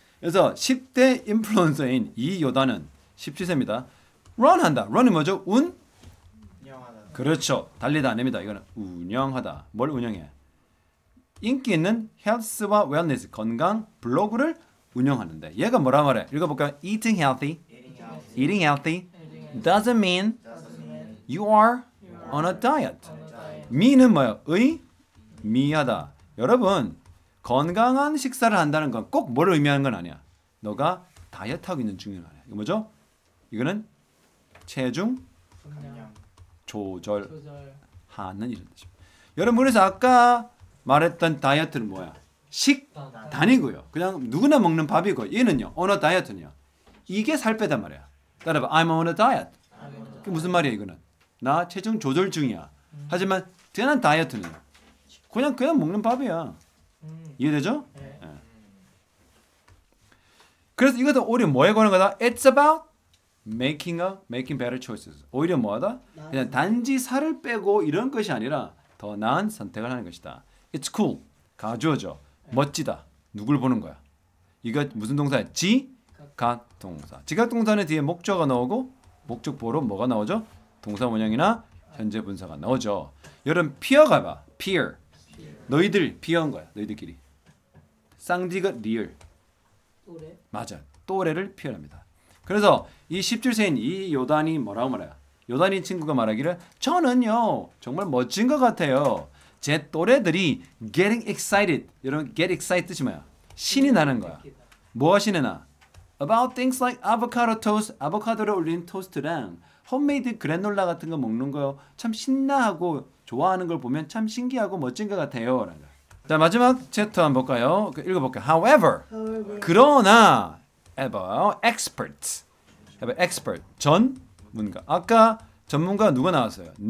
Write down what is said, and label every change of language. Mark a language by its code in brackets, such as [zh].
[ko] 그래서 10대 인플루언서인 이요단은 17세입니다. 런한다. 런이 뭐죠? 운? 영하다. 그렇죠. 달리다 아닙니다. 이거는 운영하다. 뭘 운영해? 인기 있는 헬스와 웰니스 건강 블로그를 운영하는데 얘가 뭐라 말해? 읽어볼까? [en] Eating healthy. Eating healthy doesn't mean you are on a diet. [ko] Mean은 뭐야? 의? 미하다. 여러분 건강한 식사를 한다는 건 꼭 뭘 의미하는 건 아니야. 너가 다이어트하고 있는 중이란 말이야. 이거 뭐죠? 이거는 체중 조절하는 이런 뜻입니다. 여러분 그래서 아까 말했던 다이어트는 뭐야? 식단이고요. 그냥 누구나 먹는 밥이고 얘는요. on a diet는요. 이게 살 빼단 말이야. 따라봐. [en] I'm on a diet. [ko] 그게 무슨 말이야 이거는? 나 체중 조절 중이야. 하지만 대단한 다이어트는 그냥 먹는 밥이야. 이해되죠? 네. 그래서 이것도 오히려 뭐에 관한 거다? [en] It's about making better choices. [ko] 오히려 뭐하다? 그냥 단지 살을 빼고 이런 것이 아니라 더 나은 선택을 하는 것이다. [en] It's cool. [ko] 가져오죠. 멋지다. 누굴 보는 거야? 이거 무슨 동사야? 지각동사. 지각동사는 뒤에 목적어가 나오고 목적 보로 뭐가 나오죠? 동사 원형이나 현재 분사가 나오죠. 여러분 peer 가봐. peer. 너희들 peer인 거야. 너희들끼리. 쌍디가 리얼. 또래. 맞아. 또래를 peer합니다. 그래서 이 17세인 이 요단이 뭐라고 말해요? 요단이 친구가 말하기를 저는요 정말 멋진 것 같아요. 제 또래들이 [en] getting excited. [ko] 여러분 get excited 뜻이 뭐야? 신이 나는 거야. 뭐가 신이 나? [en] About things like avocado toast. [ko] 아보카도를 올린 토스트랑 홈메이드 그래놀라 같은 거 먹는 거요. 참 신나하고 좋아하는 걸 보면 참 신기하고 멋진 것 같아요. 자 마지막 챕터 한번 볼까요? 읽어볼게요. [en] However, [ko] 그러나 [en] ever expert. [ko] expert 전문가. 아까 전문가 누가 나왔어요?